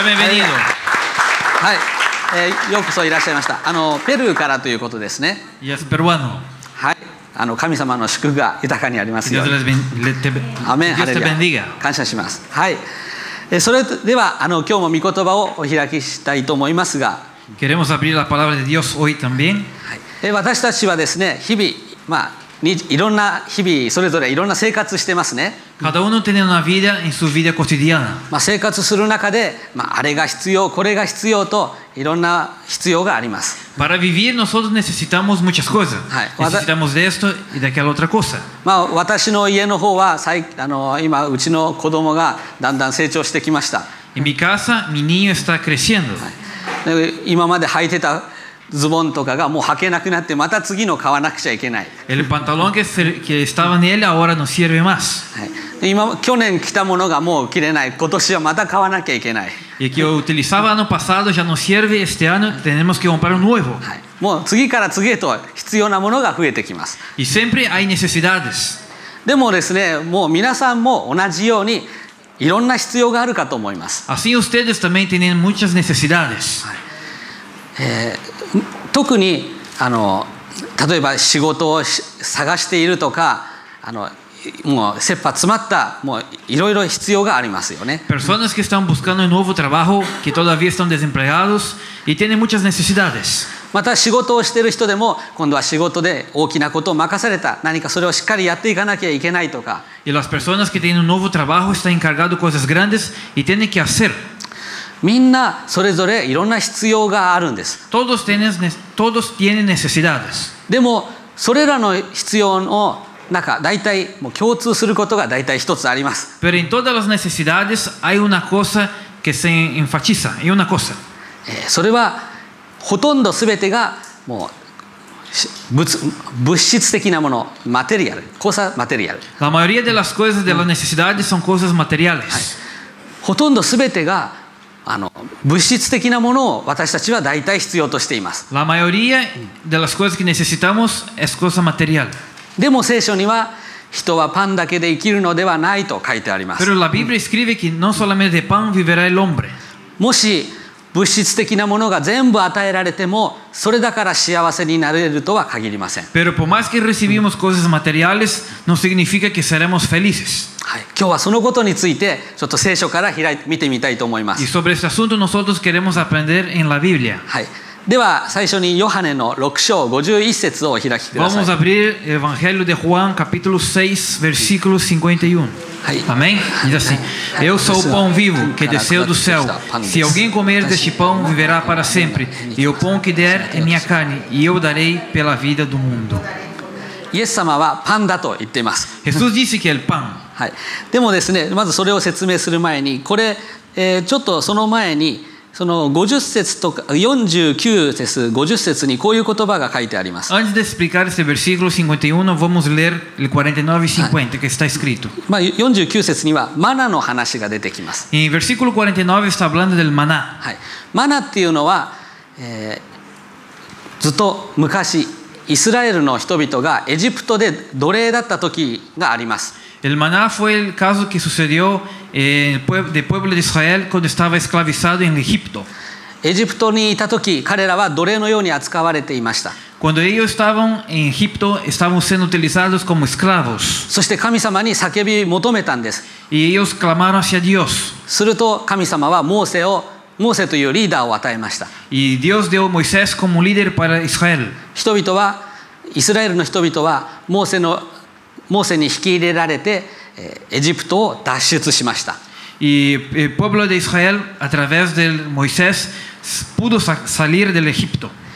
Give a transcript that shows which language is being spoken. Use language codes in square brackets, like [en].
[ja] ようこそいらっしゃいました。ペルーからということですね。 [es] イエス、ペルワノ。 [ja] はい、神様の祝福が豊かにありますように。アメン、ハレルヤ。感謝します。はい、それでは今日も御言葉をお開きしたいと思いますが、 [es] Queremos abrir la palabra de Dios hoy también。 [ja] 私たちはですね、日々、まあ、いろんな日々それぞれいろんな生活してますね。 [es] Cada uno tiene una vida en su vida cotidiana。 [ja] まあ、生活する中で、まあ、あれが必要、これが必要といろんな必要があります。 [es] Para vivir nosotros necesitamos muchas cosas。 Necesitamos de esto y de aquella otra cosa。 [ja] まあ、私の家の方は今うちの子供がだんだん成長してきました。 [es] En mi casa, mi niño está creciendo。 [ja] 今まで履いてたズボンとかがもう履けなくなってまた次の買わなくちゃいけない。 [es] El pantalón que estaba en él ahora no sirve más。 [ja] 去年着たものがもう着れない。今年はまた買わなきゃいけない。 [es] Y que yo utilizaba año pasado ya no sirve este año, tenemos que comprar un nuevo。 [ja] もう次から次へと必要なものが増えてきます。 [es] Y siempre hay necesidades。 [ja] でもですね、もう皆さんも同じようにいろんな必要があるかと思います。 [es] Así ustedes también tienen muchas necesidades。 [ja] 特に例えば仕事を探しているとか、もう切羽詰まった、もういろいろ必要がありますよね。 [es] Personas que están buscando un nuevo trabajo, que todavía están desempleados y tienen muchas necesidades. [ja] また仕事をしている人でも、今度は仕事で大きなことを任された、何かそれをしっかりやっていかなきゃいけないとか。 [es] Y las personas que tienen un nuevo trabajo están encargados de cosas grandes y tienen que hacer. [ja] みんなそれぞれいろんな必要があるんです。 [es] Todos tienen necesidades。 [ja] でもそれらの必要の中、大体もう共通することが大体一つあります。 [es] Pero en todas las necesidades hay una cosa que se enfatiza, hay una cosa。 [ja] それはほとんどすべてがもう物質的なもの、マテリアル、 [es] cosa material。 La mayoría de las cosas de las necesidades son cosas materiales。 [ja] ほとんどすべてが物質的なものを私たちは大体必要としています。 [es] La mayoría de las cosas que necesitamos es cosa material. [ja] でも聖書には人はパンだけで生きるのではないと書いてあります。 [es] Pero la Biblia escribe que no solamente de pan vivirá el hombre。 [ja] もし物質的なものが全部与えられても、それだから幸せになれるとは限りません。 [es] Pero por más que recibimos cosas materiales, no significa que seremos felices。 [ja] はい、今日はそのことについてちょっと聖書から開いて見てみたいと思います。 [es] Y sobre este asunto nosotros queremos aprender en la Biblia。 [ja] はい。では最初にヨハネの6章51節をお開きください。 [es] Vamos a abrir el Evangelio de Juan capítulo 6 versículo 51. Hay. Amén. Dice así: Yo soy el pan vivo [pt] que desceu do céu. Si alguém comer deste pão, viverá para sempre. E o pão que der é minha carne, e eu darei pela vida do mundo. [ja] イエス様はパンだと言っています。 [es] Jesús dice que el pan. [ja] はい。でもですね、まずそれを説明する前に、これ、ちょっとその前に。その50節とか49節50節にこういう言葉が書いてあります。 [es] Antes de explicar este versículo 51, vamos ler el 49 y 50 que está escrito. [ja] 49節にはマナの話が出てきます。 [es] En versículo 49 está hablando del maná. [ja] はい。マナっていうのは、ずっと昔イスラエルの人々がエジプトで奴隷だった時があります。 [es] El maná fue el caso que sucedió del pueblo de Israel cuando estaba esclavizado en Egipto. [ja] Egipto にいた時、彼らは奴隷のように扱われていました。 [es] Cuando ellos estaban en Egipto, estaban siendo utilizados como esclavos. [ja] そして神様に叫び求めたんです。 [es] Y ellos clamaron hacia Dios. [ja] すると神様はモーセというリーダーを与えました。 [es] Y Dios dio a Moisés como líder para Israel. [ja] 人々は、イスラエルの人々はモーセに引き入れられてエジプトを脱出しました。 [es] Y el pueblo de Israel a través de Moisés pudo salir del Egipto.